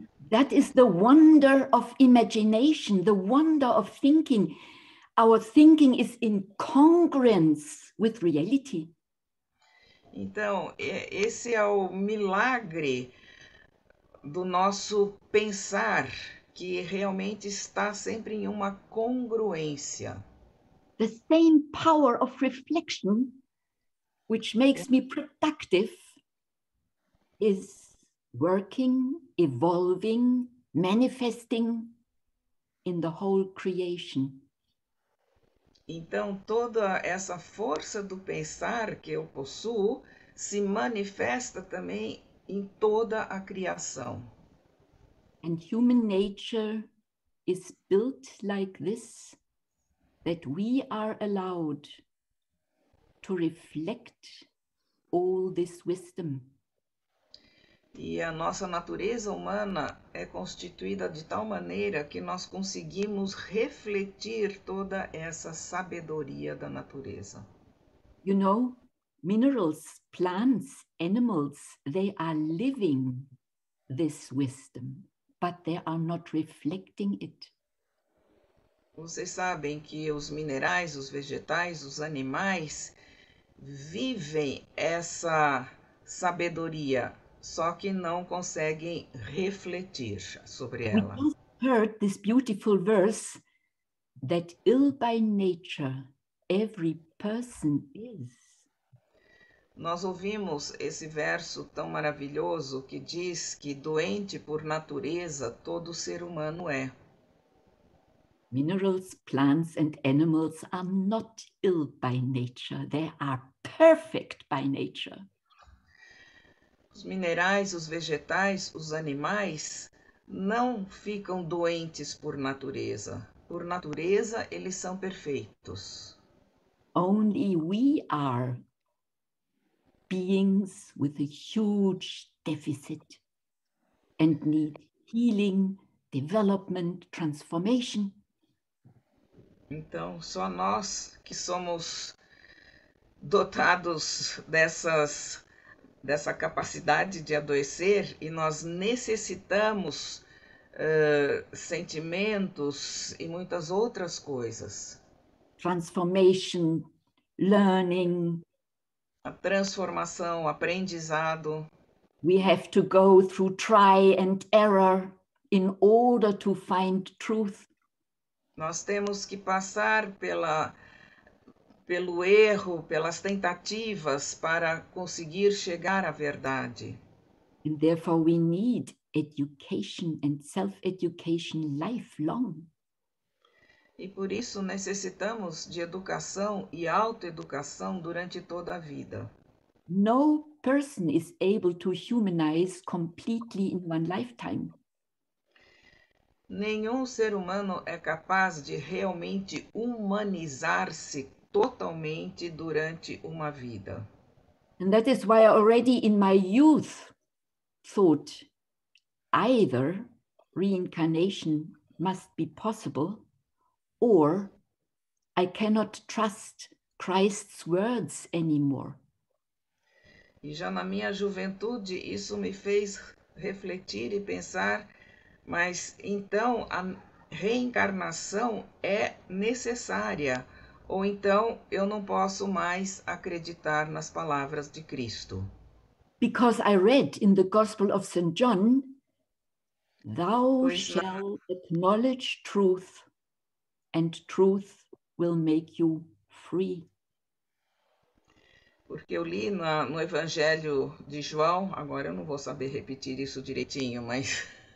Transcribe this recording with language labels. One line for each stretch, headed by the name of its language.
English: That is the wonder of imagination, the wonder of thinking. Our thinking is in congruence with reality.
Portuguese: Então, esse é o milagre do nosso pensar, que realmente está sempre em uma congruência.
English: The same power of reflection, which makes me productive, is working, evolving, manifesting in the whole creation.
Portuguese: Então, toda essa força do pensar que eu possuo se manifesta também em toda a criação.
English: And human nature is built like this, that we are allowed to reflect all this wisdom.
Portuguese: E a nossa natureza humana é constituída de tal maneira que nós conseguimos refletir toda essa sabedoria da natureza.
English: You know, minerals, plants, animals, they are living this wisdom, but they are not reflecting it.
Portuguese: Vocês sabem que os minerais, os vegetais, os animais vivem essa sabedoria, só que não conseguem refletir sobre ela.
English: We heard this beautiful verse that ill by nature every person is.
Portuguese: Nós ouvimos esse verso tão maravilhoso que diz que doente por natureza todo ser humano é.
English: Minerals, plants and animals are not ill by nature. They are perfect by nature.
Portuguese: Os minerais, os vegetais, os animais não ficam doentes por natureza. Por natureza, eles são perfeitos.
English: Only we are beings with a huge deficit and need healing, development, transformation.
Portuguese: Então, só nós que somos dotados dessa capacidade de adoecer e nós necessitamos sentimentos e muitas outras coisas.
English: Transformation, learning.
Portuguese: A transformação, o aprendizado.
English: We have to go through try and error in order to find truth.
Portuguese: Nós temos que passar pelo erro, pelas tentativas para conseguir chegar à verdade.
English: And therefore we need education and self-education lifelong.
Portuguese: E por isso necessitamos de educação e autoeducação durante toda a vida.
English: No person is able to humanize completely in one lifetime.
Portuguese: Nenhum ser humano é capaz de realmente humanizar-se totalmente durante uma vida.
English: And that is why I already in my youth thought either reincarnation must be possible or I cannot trust Christ's words anymore.
Portuguese: E já na minha juventude isso me fez refletir e pensar, mas então reencarnação é necessária, ou então eu não posso mais acreditar nas palavras de Cristo.
English: Because I read in the Gospel of St. John, thou
Portuguese: Pois na.
English: shall acknowledge truth, and truth will make you free.
Portuguese: Porque eu li no Evangelho de João, agora eu não vou saber repetir isso direitinho, mas.